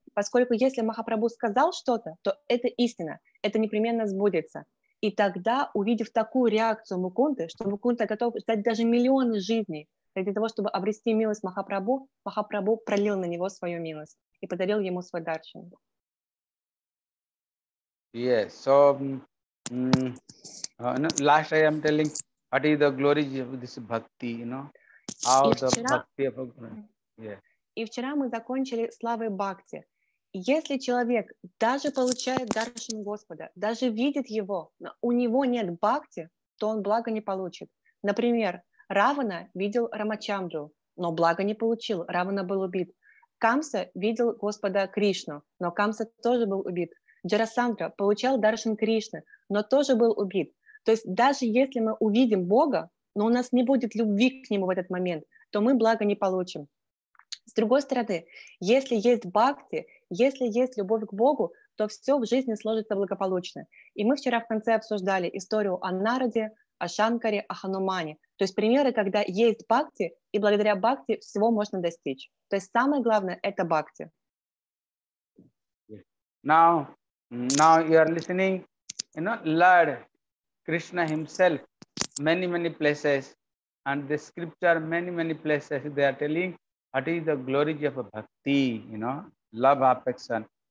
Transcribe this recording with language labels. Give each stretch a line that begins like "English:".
Russian: Поскольку если Махапрабху сказал что-то, то это истина, это непременно сбудется. И тогда, увидев такую реакцию Мукунды, что Мукунда готов ждать даже миллионы жизней ради того, чтобы обрести милость Махапрабху, Махапрабху пролил на него свою милость и подарил ему свой дарчин.
English: Yes, so last I am telling what is the glory of this bhakti, you know, how the bhakti of
Russian: И вчера мы закончили славой бхакти. Если человек даже получает даршин Господа, даже видит его, но у него нет бхакти, то он благо не получит. Например, Равана видел Рамачандру, но благо не получил, Равана был убит. Камса видел Господа Кришну, но Камса тоже был убит. Джарасандра получал даршин Кришны, но тоже был убит. То есть даже если мы увидим Бога, но у нас не будет любви к Нему в этот момент, то мы благо не получим. С другой стороны, если есть бхакти, если есть любовь к Богу, то все в жизни сложится благополучно. И мы вчера в конце обсуждали историю о Нараде, о Шанкаре, о Ханумане. То есть примеры, когда есть бхакти, и благодаря бхакти всего можно достичь. То есть самое главное — это бхакти.
English: Now you are listening, you know, Lord Krishna himself, many places, and the scripture, many places, they are telling what is the glories of bhakti, you know, love, affection.